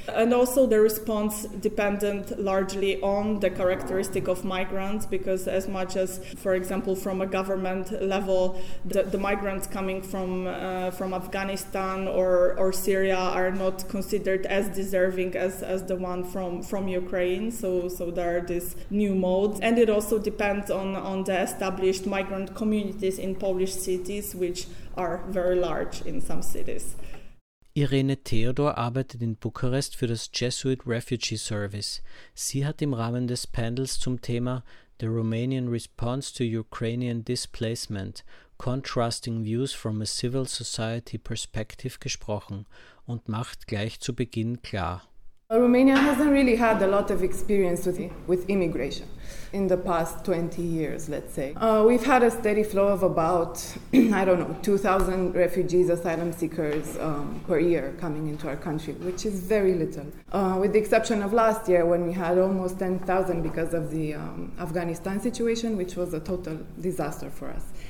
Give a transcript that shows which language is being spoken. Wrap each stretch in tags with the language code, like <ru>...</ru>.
<en>And also the response depended largely on the characteristic of migrants, because as much as, for example, from a government level, the migrants coming from Afghanistan or Syria are not considered as deserving as the one from Ukraine. So there are these new modes. And it also depends on the established migrant communities in Polish cities, which are very large in some cities.</en> <de>Irene Theodor arbeitet in Bukarest für das Jesuit Refugee Service. Sie hat im Rahmen des Panels zum Thema The Romanian Response to Ukrainian Displacement, Contrasting Views from a Civil Society Perspective gesprochen und macht gleich zu Beginn klar.</de> <en>Well, Romania hasn't really had a lot of experience with immigration in the past 20 years, let's say. We've had a steady flow of about, 2,000 refugees, asylum seekers per year coming into our country, which is very little. With the exception of last year when we had almost 10,000 because of the Afghanistan situation, which was a total disaster for us.</en>